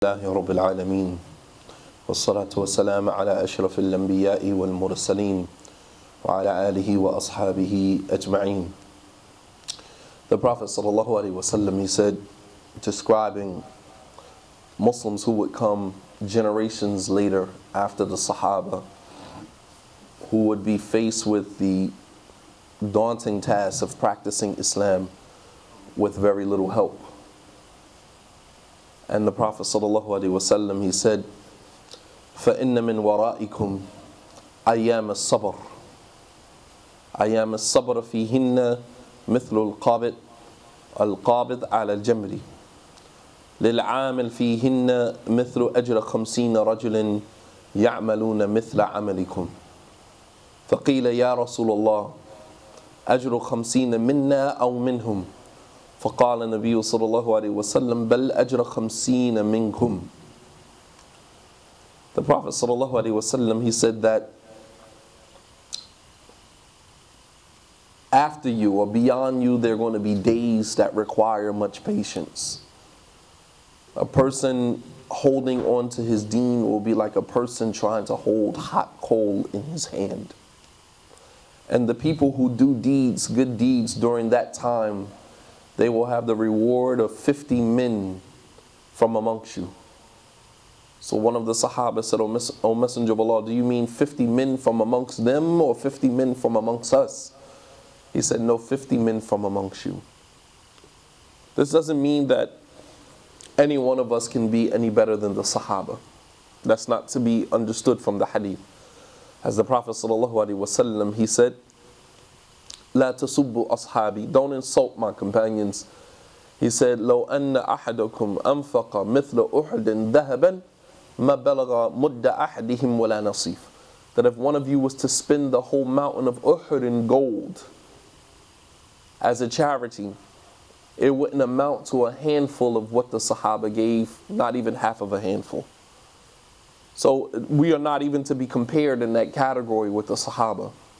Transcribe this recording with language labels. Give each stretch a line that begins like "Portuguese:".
Arabic: الله رب العالمين والصلاة والسلام على أشرف الأنبياء والمرسلين وعلى آله وأصحابه أجمعين.
English: The Prophet
Arabic: صلى الله عليه وسلم,
English: he said, describing Muslims who would come generations later after the Sahaba, who would be faced with the daunting task of practicing Islam with very little help. And the Prophet sallallahu alaihi wasallam, he said,
Arabic: فَإِنَّ مِنْ وَرَائِكُمْ أَيَّامَ الصَّبْرِ أَيَّامَ الصَّبْرِ فِيهِنَّ مِثْلُ الْقَابِضِ الْقَابِضِ عَلَى الْجَمْرِ لِلْعَامِلِ فِيهِنَّ مِثْلُ أَجْرَ خَمْسِينَ رَجُلٍ يَعْمَلُونَ مِثْلَ عَمَلِكُمْ فَقِيلَ يَا رَسُولَ اللَّهِ أَجْرُ خَمْسِينَ مِنَّا أَوْ مِنْهُمْ فقال النبي صلى الله عليه وسلم بل أجر خمسين منكم.
English: The Prophet
Arabic: صلى الله عليه وسلم,
English: he said that after you or beyond you, there are going to be days that require much patience. A person holding on to his deen will be like a person trying to hold hot coal in his hand. And the people who do deeds, good deeds during that time, they will have the reward of 50 men from amongst you. So one of the Sahaba said, O Messenger of Allah, do you mean 50 men from amongst them or 50 men from amongst us? He said, no, 50 men from amongst you. This doesn't mean that any one of us can be any better than the Sahaba. That's not to be understood from the hadith. As the Prophet sallallahu alaihi wasallam, he said,
Arabic: لا تسبوا أصحابي.
English: Don't insult my companions. He said,
Arabic: لو أن أحدكم أنفق مثل أحد ذهبا ما بلغ مد أحدهم ولا نصيف.
English: That if one of you was to spend the whole mountain of Uhud in gold as a charity, it wouldn't amount to a handful of what the Sahaba gave, not even half of a handful. So we are not even to be compared in that category with the Sahaba.